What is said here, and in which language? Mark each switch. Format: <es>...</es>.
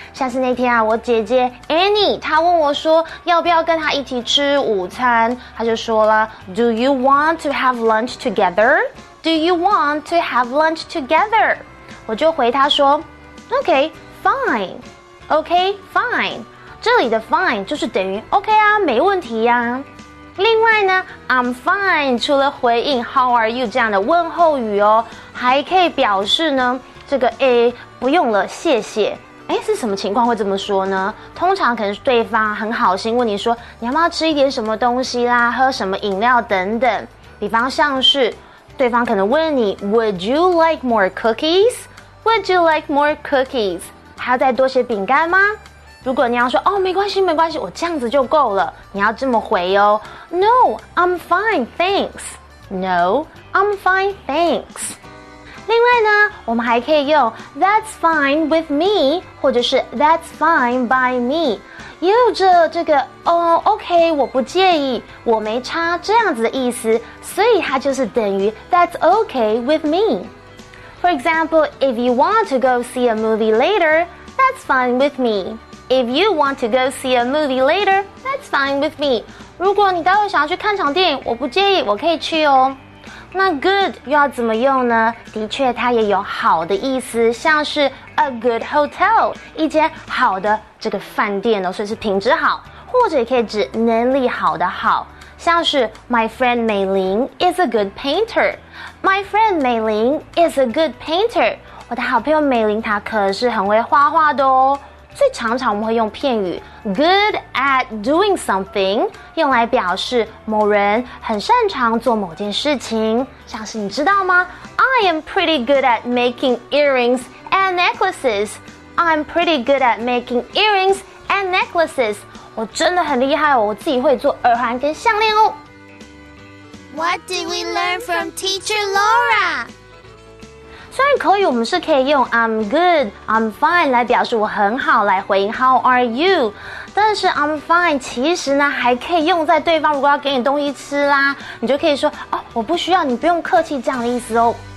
<zh>像是那天啊，我姐姐 Annie 她问我说要不要跟她一起吃午餐，她就说了</zh> <en>Do you want to have lunch together? Do you want to have lunch together?</en> <zh>我就回她说</zh> <en>OK fineOK, fine.</en> <zh>这里的 fine 就是等于 OK 啊，没问题啊。另外呢，</zh> <en>I'm fine</en> <zh>除了回应</zh> <en>How are you</en> <zh>这样的问候语哦，还可以表示呢，这个 A 不用了，谢谢。哎，是什么情况会这么说呢？通常可能是对方很好心问你说，你要不要吃一点什么东西啦，喝什么饮料等等。比方像是，对方可能问你</zh> <en>Would you like more cookies? Would you like more cookies?</en> <zh>还要再多些饼干吗？如果你要说哦，没关系，没关系，我这样子就够了，你要这么回哦。</zh> <en>No, I'm fine, thanks. No, I'm fine, thanks.</en> <zh>另外呢，我们还可以用</zh> <en>That's fine with me，</en> <zh>或者是</zh> <en>That's fine by me，</en> <zh>也有这个哦 ，OK， 我不介意，我没差这样子的意思，所以它就是等于</zh> <en>That's okay with me. For example, if you want to go see a movie later, that's fine with me. If you want to go see a movie later, that's fine with me.</en> <zh>如果你待会想要去看场电影，我不介意，我可以去哦。那 good 又要怎么用呢？的确它也有好的意思，像是</zh> <en>a good hotel,</en> <zh>一间好的这个饭店哦，所以是品质好，或者也可以指能力好的好。像是</zh> <en>My friend Mei Ling is a good painter. My friend Mei Ling is a good painter.</en> <zh>我的好朋友美玲她可是很会画画的哦。所以常常我们会用片语</zh> <en>good at doing something</en> <zh>用来表示某人很擅长做某件事情。像是你知道吗？ I am pretty good at making earrings and necklaces. I'm pretty good at making earrings and necklaces. 我真的很厉害哦，我自己会做耳环跟项链哦。</zh> <en>What did we learn from Teacher Laura?</en> <zh>虽然口语我们是可以用</zh> <en>I'm good, I'm fine</en> <zh>来表示我很好，来回应</zh> <en>How are you?</en> <zh>但是</zh> <en>I'm fine</en> <zh>其实呢还可以用在对方如果要给你东西吃啦，你就可以说哦，我不需要，你不用客气这样的意思哦。</zh>